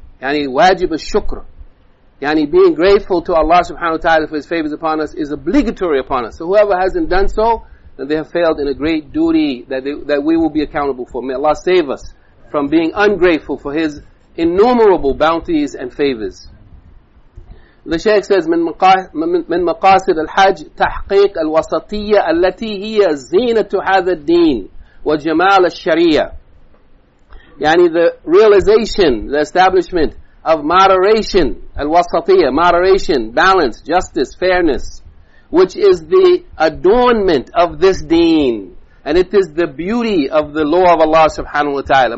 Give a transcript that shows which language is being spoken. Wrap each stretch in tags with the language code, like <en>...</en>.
<en>Yani wajib al-shukr. Yani being grateful to Allah subhanahu wa ta'ala for His favors upon us is obligatory upon us. So whoever hasn't done so, then they have failed in a great duty that we will be accountable for. May Allah save us from being ungrateful for His innumerable bounties and favors. The Shaykh says,</en> <ar>من مقاصد الحج تحقيق الوسطية التي هي زينة هذا الدين وجمال الشريعة.</ar> <en>Yani the realization, the establishment of moderation, al-wasatiyya, moderation, balance, justice, fairness, which is the adornment of this deen. And it is the beauty of the law of Allah subhanahu wa ta'ala.</en>